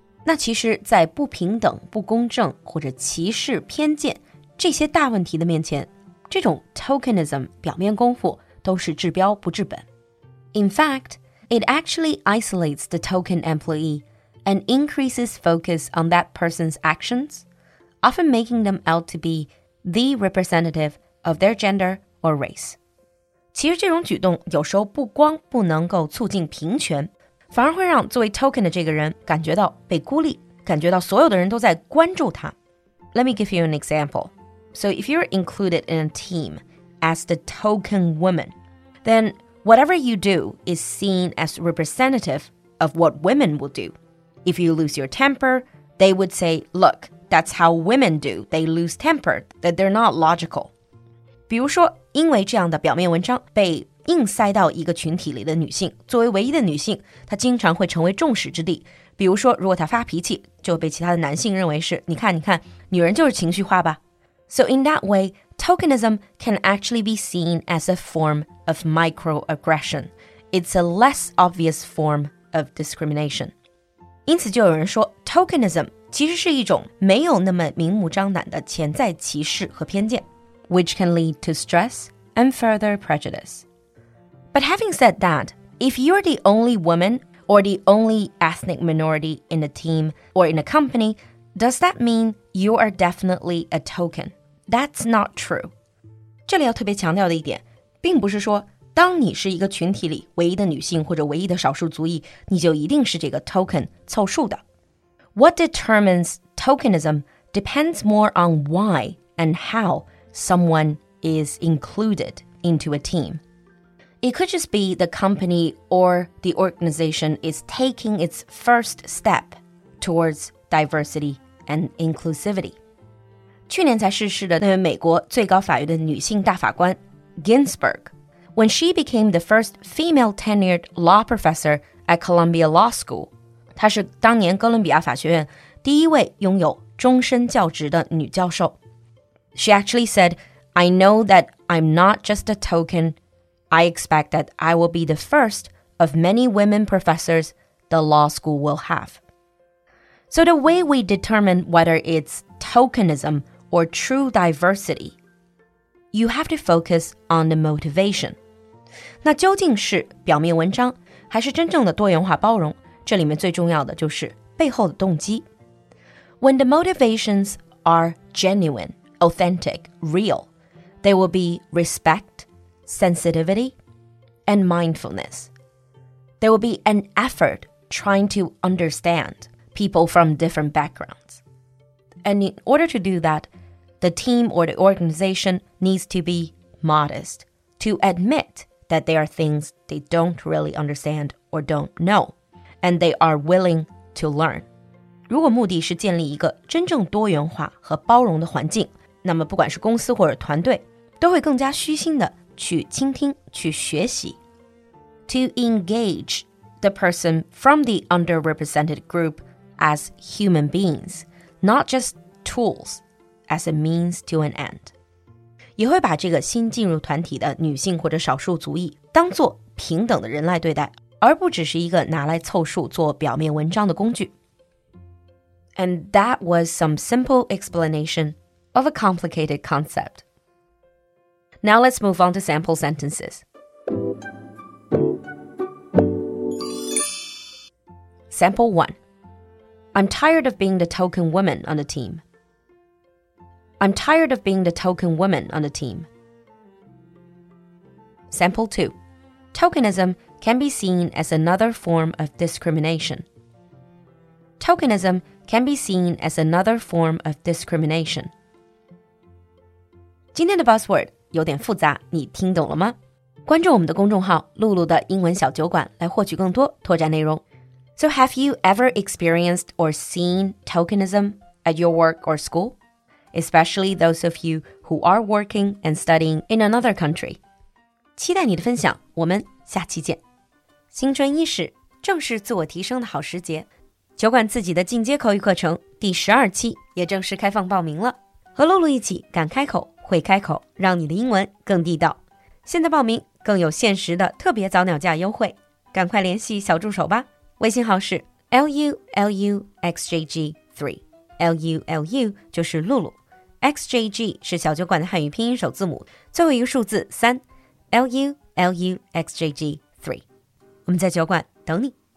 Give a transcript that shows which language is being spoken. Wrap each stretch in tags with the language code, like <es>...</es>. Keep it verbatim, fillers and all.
<zh>那其实在不平等、不公正或者歧视、偏见这些大问题的面前，这种 tokenism 表面功夫都是治标不治本。</zh> <en>In fact,It actually isolates the token employee and increases focus on that person's actions, often making them out to be the representative of their gender or race.</en> <zh>其实这种举动有时候不光不能够促进平权，反而会让作为 token 的这个人感觉到被孤立，感觉到所有的人都在关注他。</zh> <en>Let me give you an example. So if you're included in a team as the token woman, then... Whatever you do is seen as representative of what women will do. If you lose your temper, they would say, look, that's how women do. They lose temper, that they're not logical.</en> <zh>比如说，因为这样的表面文章被硬塞到一个群体里的女性，作为唯一的女性，她经常会成为众矢之的。比如说，如果她发脾气，就被其他的男性认为是，你看，你看，女人就是情绪化吧。</zh> <en>So in that way,Tokenism can actually be seen as a form of microaggression. It's a less obvious form of discrimination.</en> <zh>因此就有人说 tokenism 其实是一种没有那么明目张胆的潜在歧视和偏见</zh> <en>which can lead to stress and further prejudice. But having said that, if you're the only woman or the only ethnic minority in a team or in a company, does that mean you are definitely a token? That's not true.</en> <zh>这里要特别强调的一点，并不是说当你是一个群体里唯一的女性或者唯一的少数族裔，你就一定是这个 token 凑数的。</zh> <en>What determines tokenism depends more on why and how someone is included into a team. It could just be the company or the organization is taking its first step towards diversity and inclusivity.</en> <zh>去年才逝世的那位美国最高法院的女性大法官 Ginsburg,</zh> <en>when she became the first female-tenured law professor at Columbia Law School,</en> <zh>她是当年哥伦比亚法学院第一位拥有终身教职的女教授。</zh> <en>She actually said, I know that I'm not just a token,I expect that I will be the first of many women professors the law school will have. So the way we determine whether it's tokenism or true diversity, you have to focus on the motivation.</en> <zh>那究竟是表面文章还是真正的多元化包容？这里面最重要的就是背后的动机。</zh> <en>When the motivations are genuine, authentic, real, they will be respect,sensitivity, and mindfulness. There will be an effort trying to understand people from different backgrounds. And in order to do that, the team or the organization needs to be modest, to admit that there are things they don't really understand or don't know, and they are willing to learn.</en> <zh>如果目的是建立一个真正多元化和包容的环境，那么不管是公司或者团队，都会更加虚心地去倾听，去学习。</zh> <en>To engage the person from the underrepresented group as human beings, not just tools, as a means to an end.</en> <zh>也会把这个新进入团体的女性或者少数族裔当作平等的人来对待，而不只是一个拿来凑数做表面文章的工具。</zh> <en>And that was some simple explanation of a complicated concept. Now let's move on to sample sentences. Sample one. I'm tired of being the token woman on the team. I'm tired of being the token woman on the team. Sample two. Tokenism can be seen as another form of discrimination. Tokenism can be seen as another form of discrimination.</en> <zh>今天的 buzzword. 有点复杂，你听懂了吗？关注我们的公众号“露露的英文小酒馆”来获取更多拓展内容。</zh> <en>So have you ever experienced or seen tokenism at your work or school? Especially those of you who are working and studying in another country.</en> <zh>期待你的分享，我们下期见。新春伊始，正是自我提升的好时节。酒馆自己的进阶口语课程第十二期也正式开放报名了，和露露一起敢开口。会开口，让你的英文更地道。现在报名更有限时的特别早鸟价优惠，赶快联系小助手吧。微信号是 L U L U X J G 三 L U L U 就是露露 X J G 是小酒馆的汉语拼音首字母，最后一个数字三 L U L U X J G 三。我们在酒馆等你。</zh>